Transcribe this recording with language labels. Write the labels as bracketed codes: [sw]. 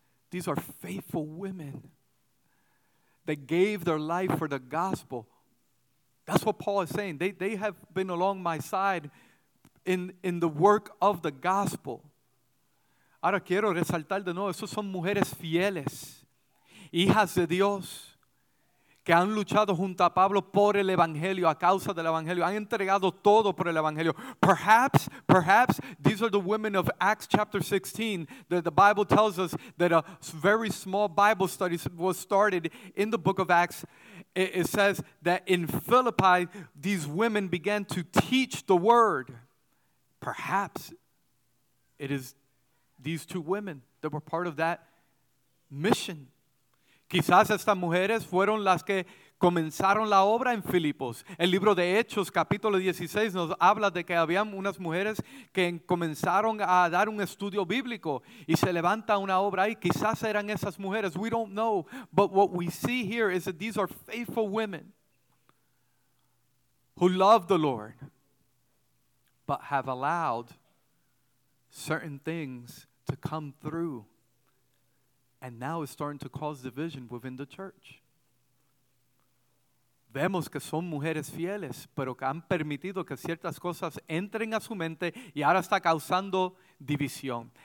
[en] These are faithful women that gave their life for the gospel. That's what Paul is saying. They have been along my side in the work of the gospel. [es] Ahora quiero resaltar de nuevo, esos son mujeres fieles, hijas de Dios, que han luchado junto a Pablo por el Evangelio, a causa del Evangelio. Han entregado todo por el Evangelio. [en] Perhaps, these are the women of Acts chapter 16, that the Bible tells us that a very small Bible study was started in the book of Acts. It says that in Philippi, these women began to teach the word. Perhaps it is these two women that were part of that mission. [es] Quizás estas mujeres fueron las que comenzaron la obra en Filipos. El libro de Hechos, capítulo 16, nos habla de que habían unas mujeres que comenzaron a dar un estudio bíblico y se levanta una obra ahí. Quizás eran esas mujeres. [en] We don't know. But what we see here is that these are faithful women who love the Lord but have allowed certain things to come through. And now it's starting to cause division within the church. [es] Vemos que son mujeres fieles, pero que han permitido que ciertas cosas entren a su mente y ahora está causando división.